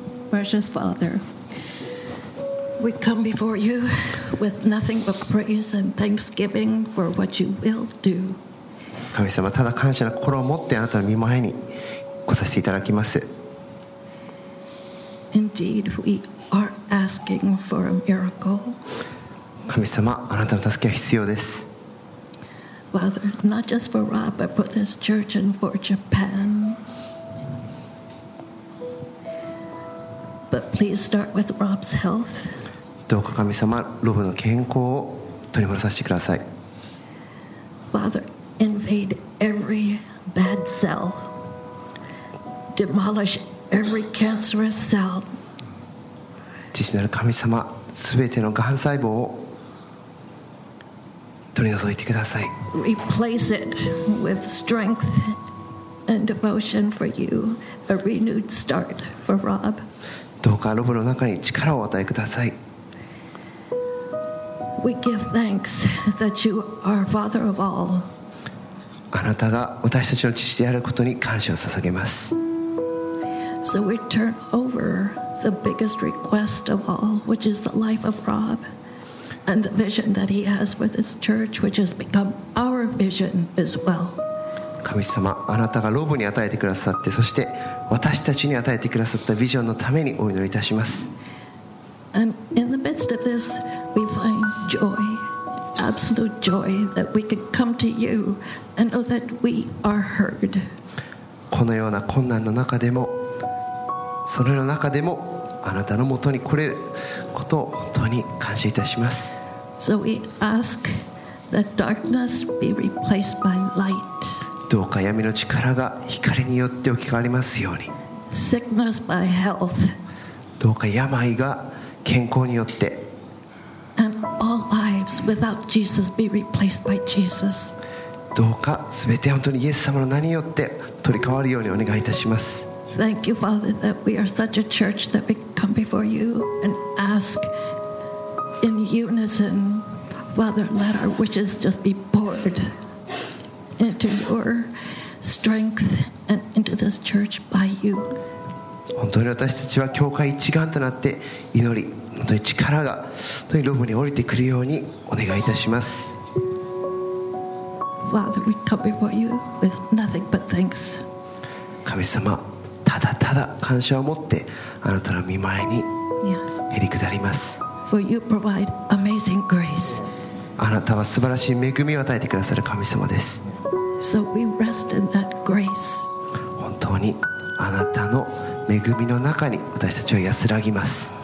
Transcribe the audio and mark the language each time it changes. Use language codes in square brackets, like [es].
[en] Precious Father, we come before you with nothing but praise and thanksgiving for what you will do. [ja] 神様、ただ感謝の心を持ってあなたの御前に来させていただきます。 [en] Indeed, we are asking for a miracle. [ja] 神様、あなたの助けは必要です。 [en] Father, not just for Rob, but for this church and for Japan. But please start with Rob's health. [ja] どうか神様、ロブの健康を取り戻させてください。 [en] Father, invade every bad cell. Demolish every cancerous cell. [ja] 父なる神様、すべてのがん細胞を取り除いてください。 [en] Replace it with strength and devotion for you, a renewed start for Rob. [ja] どうかロブの中に力をお与えください。 [en] We give thanks that you are Father of all. [ja] あなたが私たちの父であることに感謝を捧げます。 [en] So we turn over the biggest request of all, which is the life of Rob and the vision that he has for this church, which has become our vision as well. [ja] 神様、あなたがロブに与えてくださって、そして私たちに与えてくださったビジョンのためにお祈りいたします。 [en] And in the midst of this, we find joy, absolute joy, that we could come to you and know that we are heard. [ja] このような困難の中でも、それの中でも、あなたのもとに来れることを本当に感謝いたします。 [en] So we ask that darkness be replaced by light. [ja] どうか闇の力が光によって置き換わりますように。 [en] Sickness by health. [ja] どうか病が健康によって、 [en] And all lives without Jesus be replaced by Jesus. [ja] どうか全て本当にイエス様の名によって取り替わるようにお願いいたします。 [en] Thank you, Father, that we are such a church that we come before you and ask in unison, Father, let our wishes just be poured into your strength and into this church by you. [ja] 本当に私たちは教会一丸となって祈り、本当に力が本当にロブに降りてくるようにお願いいたします。 [en] Father, we come before you with nothing but thanks. [ja] 神様、ただただ感謝を持ってあなたの御前にへり下ります。 [en] For you provide amazing grace. [ja] あなたは素晴らしい恵みを与えてくださる神様です。 [en] So we rest in that grace. [ja] 本当にあなたの恵みの中に私たちは安らぎます。